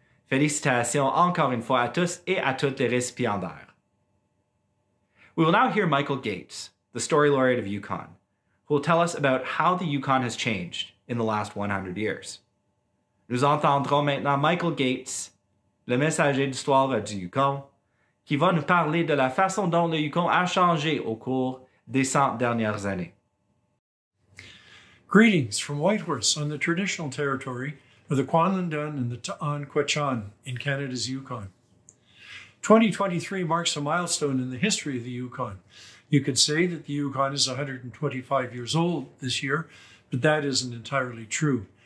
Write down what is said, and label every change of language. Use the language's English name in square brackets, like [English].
[French] Félicitations encore une fois à tous et à toutes les récipiendaires. [English] We will now hear Michael Gates, the Story Laureate of Yukon, who will tell us about how the Yukon has changed in the last 100 years. [French] Nous entendrons maintenant Michael Gates, le messager d'histoire du Yukon, qui va nous parler de la façon dont le Yukon a changé au cours des 100 dernières années. [English] Greetings from Whitehorse on the traditional territory of the Kwanlin Dun and the Ta'an Kwechan in Canada's Yukon. 2023 marks a milestone in the history of the Yukon. You could say that the Yukon is 125 years old this year, but that isn't entirely true.